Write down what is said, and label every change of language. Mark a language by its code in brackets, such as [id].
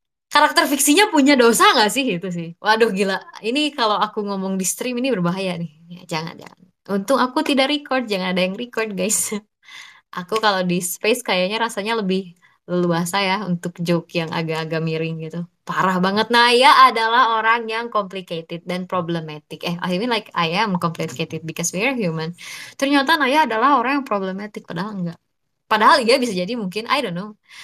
[id] Karakter fiksinya punya dosa nggak sih itu sih? Waduh gila. Ini kalau aku ngomong di stream ini berbahaya nih. Ya, jangan jangan. Untung aku tidak record, jangan ada yang record guys. Aku kalau di space kayaknya rasanya lebih leluasa ya untuk joke yang agak-agak miring gitu. Parah banget. Naya adalah orang yang complicated dan problematic. [en] Eh, I mean like I am complicated because we are human. [id] Ternyata Naya adalah orang yang problematic, padahal enggak. Padahal ya bisa jadi mungkin, [en] I don't know.